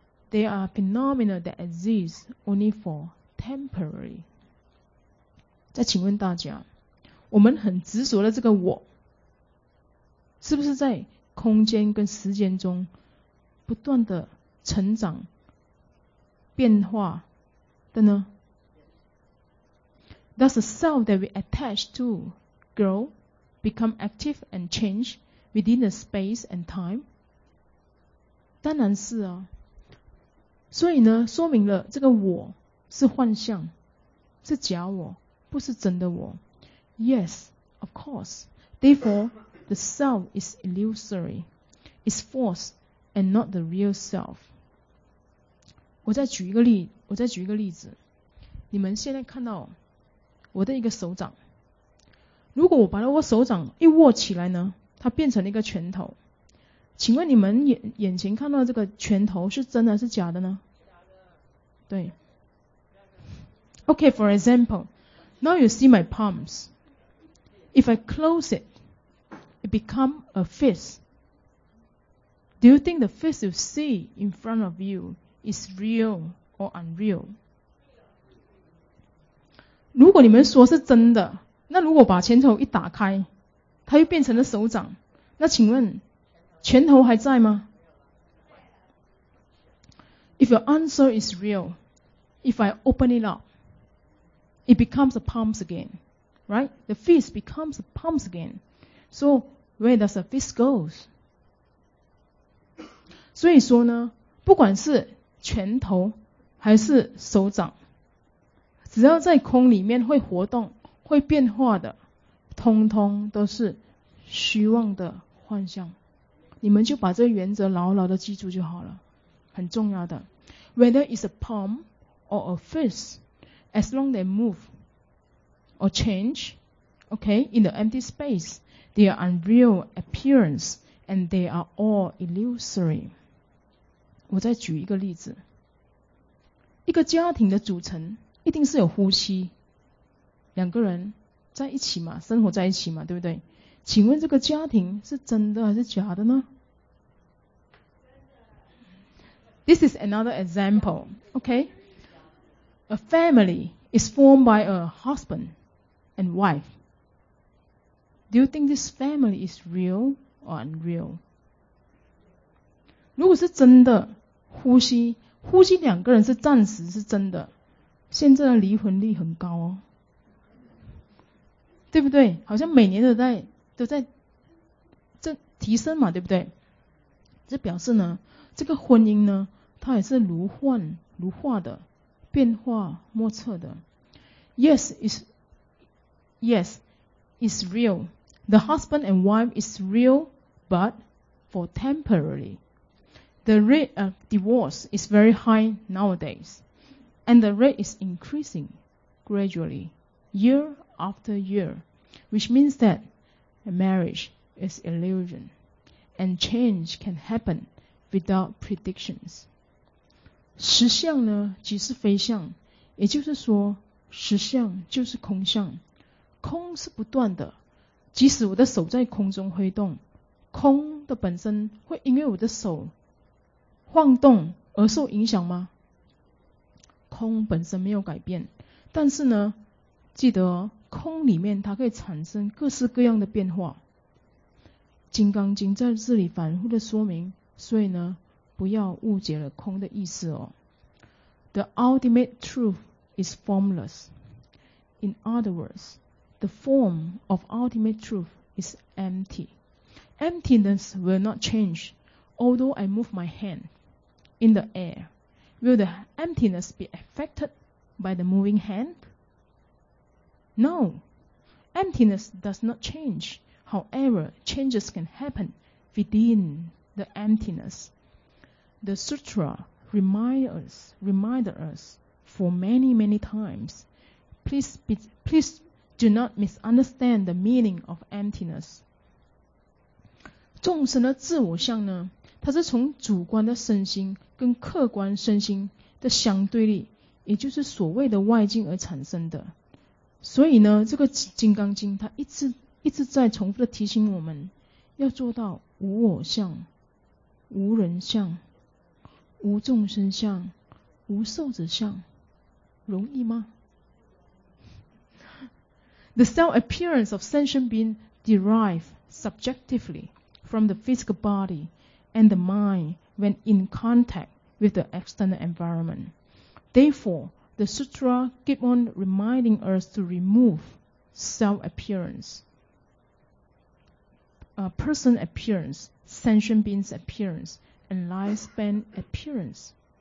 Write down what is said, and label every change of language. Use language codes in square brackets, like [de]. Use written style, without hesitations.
[en] They are phenomena that exist only for temporary. [zh] 再请问大家，我们很执着的这个我，是不是在空间跟时间中不断的成长变化的呢？ [en] Does the self that we attach to grow, become active and change within the space and time? [zh] 当然是啊。所以呢，说明了这个我是幻象，是假我，不是真的我。 [en] Yes, of course. Therefore, the self is illusory, is false, and not the real self. [zh] 我再举一个例子。你们现在看到我的一个手掌，如果我把我手掌一握起来呢，它变成了一个拳头。请问你们眼前看到这个拳头是真的是假的呢？对。 [en] Okay, for example. Now you see my palms. If I close it, it becomes a fist. Do you think the fist you see in front of you is real or unreal? [zh] 如果你们说是真的，那如果把拳头一打开，它又变成了手掌，那请问拳头还在吗？ [en] If your answer is real, if I open it up,It becomes a palms again, right? The fist becomes a palms again. So, where does the fist go? [zh] 所以说呢，不管是拳头还是手掌，只要在空里面会活动、会变化的，通通都是虚妄的幻象。你们就把这个原则牢牢的记住就好了，很重要的。 [en] Whether it's a palm or a fist,As long they move or change, okay, in the empty space, they are unreal appearance and they are all illusory. [zh] 我再举一个例子。一个家庭的组成一定是有呼吸，两个人在一起嘛，生活在一起嘛，对不对？请问这个家庭是真的还是假的呢？ [en] This is another example. Okay? A family is formed by a husband and wife. Do you think this family is real or unreal? [zh] 如果是真的，呼吸两个人是暂时是真的，现在的离婚率很高哦，对不对？好像每年都在这提升嘛，对不对？这表示呢，这个婚姻呢，它也是如幻如化的，变化莫测的。 [en] Yes, it's real. The husband and wife is real, but for temporary. The rate of divorce is very high nowadays, and the rate is increasing gradually, year after year, which means that a marriage is illusion, and change can happen without predictions. [zh] 实相呢，即是非相，也就是说，实相就是空相，空是不断的，即使我的手在空中挥动，空的本身会因为我的手晃动而受影响吗？空本身没有改变，但是呢，记得哦，空里面它可以产生各式各样的变化。金刚经在这里反复的说明，所以呢，不要误解了空的意思哦。 [en] The ultimate truth is formless. In other words, the form of ultimate truth is empty. Emptiness will not change, although I move my hand. In the air, will the emptiness be affected by the moving hand? No, emptiness does not change. However, changes can happen within the emptiness. The sutra reminded us for many, many times. Please do not misunderstand the meaning of emptiness. [zh] 众生的自我相呢？它是从主观的身心跟客观身心的相对立，也就是所谓的外境而产生的。所以呢，这个金刚经它一直在重复的提醒我们，要做到无我相、无人相、无众生相、无受者相，容易吗？ [en] The self appearance of sentient being derived subjectively from the physical body. And the mind when in contact with the external environment. Therefore, the sutra keep on reminding us to remove self-appearance, person appearance, sentient beings appearance, and lifespan appearance.